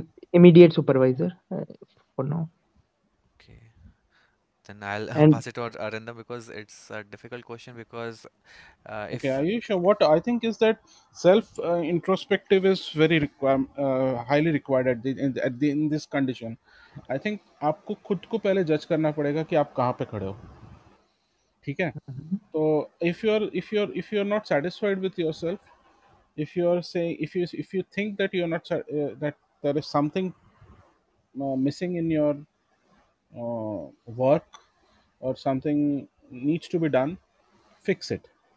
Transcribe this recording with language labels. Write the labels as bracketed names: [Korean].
[English] Immediate supervisor for now. Okay, then I'll pass it to Arindam, because it's a difficult question. Because what I think is that self introspective is very highly required in this condition. I think [Hindi] आपको खुद को पहले जज करना पड़ेगा कि आप कहाँ पे खड़े हो. ठीक है, तो [English] if you are not satisfied with yourself, if you think that you are not that there is something missing in your work, or something needs to be done, fix it.